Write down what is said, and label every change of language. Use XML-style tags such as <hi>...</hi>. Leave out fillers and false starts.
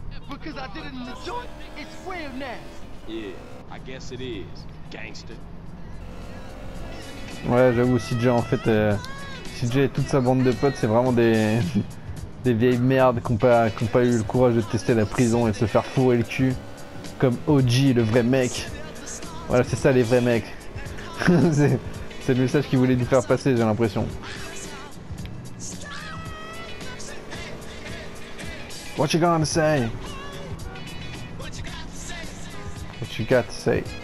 <en>Because I did it in the joint, it's real now. Yeah, I guess it is, gangster.</en> <fr>Ouais, j'avoue, CJ, en fait, CJ et toute sa bande de potes, c'est vraiment des vieilles merdes qui n'ont pas eu le courage de tester la prison et de se faire fourrer le cul. Comme OG, le vrai mec. Voilà, c'est ça les vrais mecs. c'est le message qu'il voulait nous faire passer, j'ai l'impression.</fr> <en>What you gonna say? What you got to say?</en>